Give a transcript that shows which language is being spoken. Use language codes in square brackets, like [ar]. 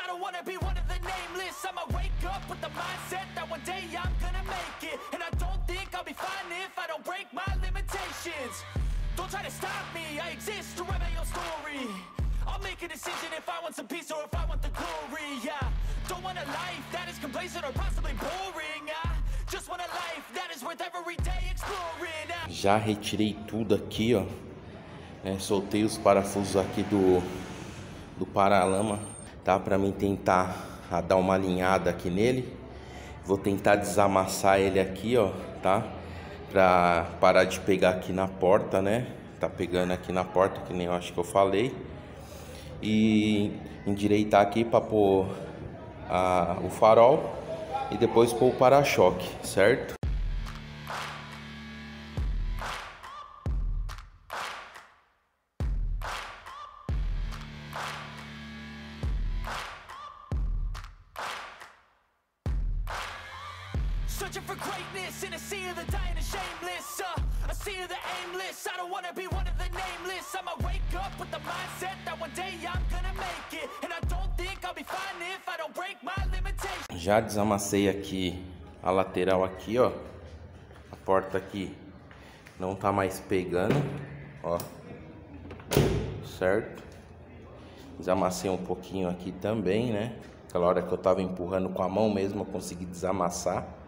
[en] I don't wanna be one of the nameless. I'ma wake up with the mindset that one day I'm gonna make it, and I don't think I'll be fine if I don't break my limitations. Don't try to stop me, I exist to write my own story. I'll make a decision if I want some peace or if I want the glory. Yeah, don't want a life that is complacent or possibly boring. I just want a life that is worth every day exploring. [pt] Já retirei tudo aqui, ó. Soltei os parafusos aqui do paralama, tá? Para mim tentar a dar uma alinhada aqui nele. Vou tentar desamassar ele aqui, ó, tá? Para parar de pegar aqui na porta, né? Tá pegando aqui na porta, que nem eu acho que eu falei. E endireitar aqui para pôr o farol e depois pôr o para-choque, certo? [en] Searching for greatness in a sea of the dying and shameless, a sea of the aimless. I don't wanna be one of the nameless. I'ma wake up with the mindset that one day I'm gonna make it, and I don't think I'll be fine if I don't break my limitations. [pt] Já desamassei aqui a lateral aqui, ó. A porta aqui não tá mais pegando, ó. Certo? Desamassei um pouquinho aqui também, né? Aquela hora que eu tava empurrando com a mão mesmo, eu consegui desamassar.